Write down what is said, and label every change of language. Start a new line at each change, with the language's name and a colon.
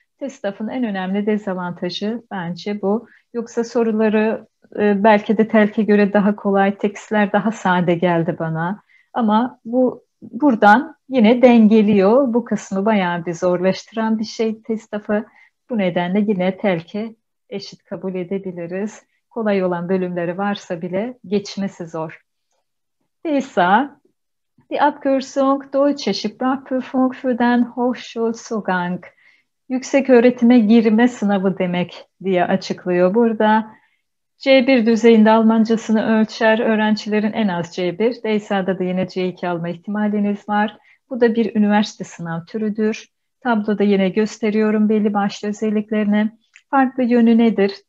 Turkish: TESDAF'ın en önemli dezavantajı bence bu. Yoksa soruları belki de TELK'e göre daha kolay, tekstler daha sade geldi bana. Ama bu buradan yine dengeliyor. Bu kısmı bayağı bir zorlaştıran bir şey TESDAF'ı. Bu nedenle yine TELK'e eşit kabul edebiliriz. Kolay olan bölümleri varsa bile geçmesi zor. Neyse.
German: Die Abkürzung Deutsche Sprachprüfung für den Hochschulzugang.
Turkish: Yüksek öğretime girme sınavı demek diye açıklıyor burada. C1 düzeyinde Almancasını ölçer. Öğrencilerin en az C1. DSA'da da yine C2 alma ihtimaliniz var. Bu da bir üniversite sınav türüdür. Tabloda yine gösteriyorum belli başlı özelliklerini. Farklı yönü nedir?